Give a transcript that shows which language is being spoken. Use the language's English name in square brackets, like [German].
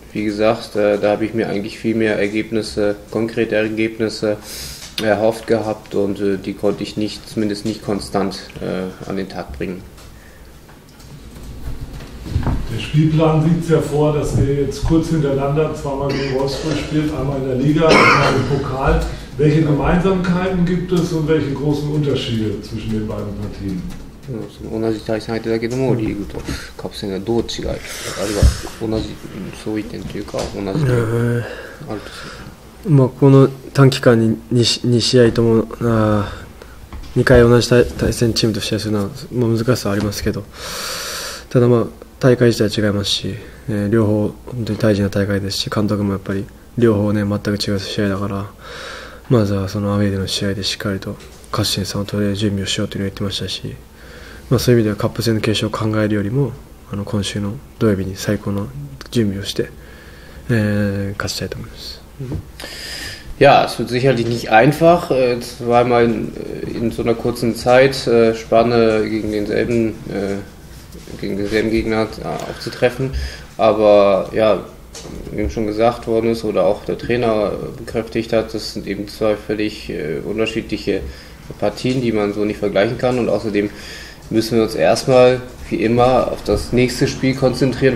[German] Wie gesagt, da habe ich mir eigentlich viel mehr Ergebnisse, konkrete Ergebnisse erhofft gehabt und die konnte ich nicht, zumindest nicht konstant an den Tag bringen. Der Spielplan sieht es ja vor, dass ihr jetzt kurz hintereinander zweimal gegen Wolfsburg spielt, einmal in der Liga, einmal im Pokal. Welche Gemeinsamkeiten gibt es und welche großen Unterschiede zwischen den beiden Partien? [Japanese] 同じ対戦相手だけどもリーグとカップ戦がどう違い、あるいは同じ相違点というか同じ点あるとする、まあ、この短期間に 2試合とも2回同じ対戦チームと試合するのは、まあ、難しさはありますけど、ただ、まあ、大会自体は違いますし、両方本当に大事な大会ですし、監督もやっぱり両方、ね、全く違う試合だから、まずはそのアウェーでの試合でしっかりと勝ち点3を取れる準備をしようというのを言ってましたし、まあ、そういう意味ではカップ戦の決勝を考えるよりもあの今週の土曜日に最高の準備をして、勝ちたいと思います。 [German] Ja, es wird sicherlich nicht einfach, zweimal in so einer kurzen Zeit Spanne gegen denselben Gegner aufzutreffen, aber ja, wie schon gesagt worden ist oder auch der Trainer bekräftigt hat, das sind eben zwei völlig unterschiedliche Partien, die man so nicht vergleichen kann und außerdem müssen wir uns erstmal, wie immer, auf das nächste Spiel konzentrieren.